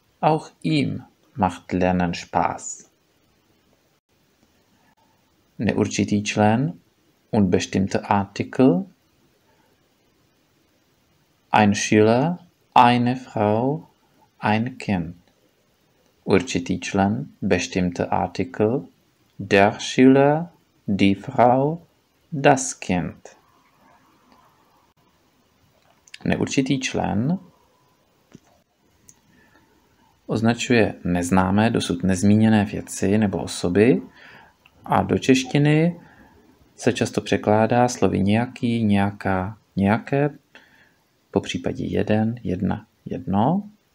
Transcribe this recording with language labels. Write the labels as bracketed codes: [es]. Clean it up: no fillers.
[de] Auch ihm macht Lernen Spaß. [cs] Neurčitý člen, [de] unbestimmter Artikel. Ein Schüler, eine Frau, ein Kind. [cs] Určitý člen, [de] bestimmter Artikel. Der Schüler, die Frau, das Kind. [cs] Neurčitý člen označuje neznámé, dosud nezmíněné věci nebo osoby a do češtiny se často překládá slovy nějaký, nějaká, nějaké, popřípadě jeden, jedna, jedno.